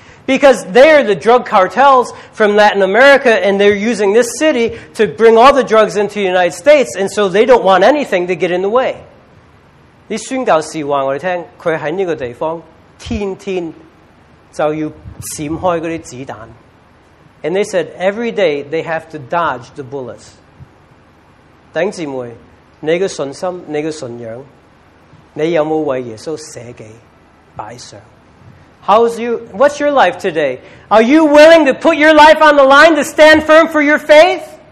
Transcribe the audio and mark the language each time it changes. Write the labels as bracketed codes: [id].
[en] Because they are the drug cartels from Latin America and they're using this city to bring all the drugs into the United States and so they don't want anything to get in the way. [zh] 宣教士告诉我们，他在这个地方天天就要闪开那些子弹。 [en] And they said, every day they have to dodge the bullets. [zh] 弟兄姊妹,你的信心,你的信仰,你有没有为耶稣舍己摆上? [en] What's your life today? Are you willing to put your life on the line to stand firm for your faith?